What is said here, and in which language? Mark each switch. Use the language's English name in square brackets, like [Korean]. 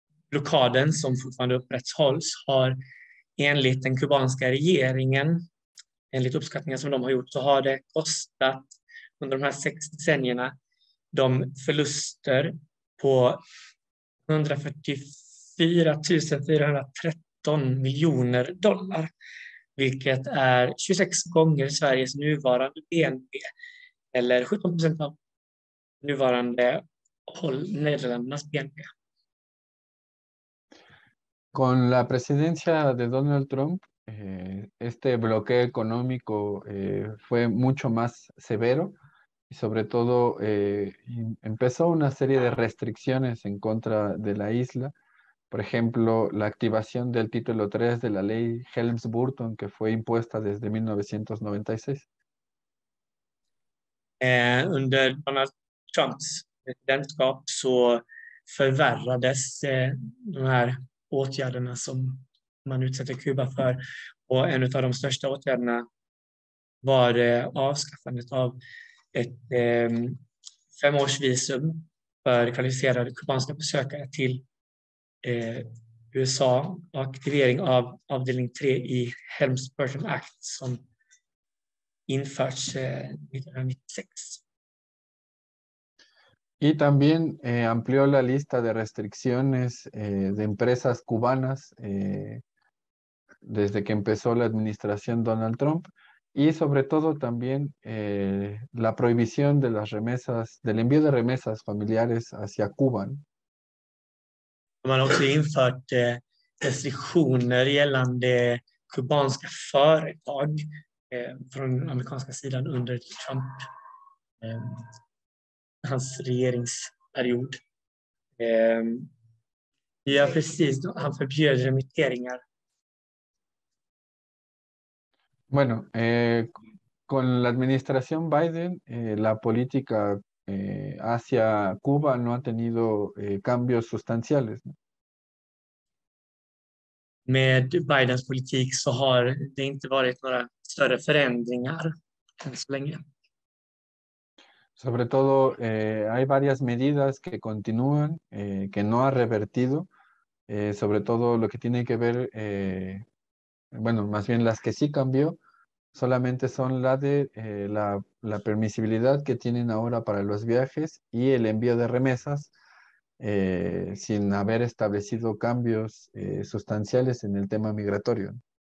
[Swedish] Blockaden som fortfarande upprätthålls har enligt den kubanska regeringen, enligt uppskattningar som de har gjort, så har det kostat under de här 6 decennierna de förluster på 144 413 miljoner dollar, vilket är 26 gånger Sveriges nuvarande BNP, eller 17% av nuvarande Nederländernas BNP. [Spanish] Con la presidencia de Donald Trump, este bloqueo económico fue mucho más severo y sobre todo empezó una serie de restricciones en contra de la isla. Por ejemplo, la activación del título 3 de la ley Helms-Burton, que fue impuesta desde 1996. [Swedish] Under Donald Trumps presidentskap så förvärrades de här åtgärderna som man utsätter Kuba för, och en av de största åtgärderna var avskaffandet av ett 5-årsvisum för kvalificerade kubanska besökare till USA och aktivering av avdelning 3 i Helms-Burton Act som införts 1996. [Spanish] Y también amplió la lista de restricciones de empresas cubanas desde que empezó la administración Donald Trump, y sobre todo también la prohibición de las remesas, del envío de remesas familiares hacia Cuba. [Swedish] Man också infört restriktioner gällande kubanska företag från amerikanska sidan under Trump. Hans regeringsperiod. Ja, precis. Han förbjöd remitteringar. [Spanish] Bueno, con la administración Biden, la política hacia Cuba no ha tenido cambios sustanciales. [Swedish] Med Bidens politik så har det inte varit några större förändringar än så länge. [Spanish] Sobre todo hay varias medidas que continúan, que no ha revertido, sobre todo lo que tiene que ver, bueno, más bien las que sí cambió, solamente son la de la permisibilidad que tienen ahora para los viajes y el envío de remesas, sin haber establecido cambios sustanciales en el tema migratorio.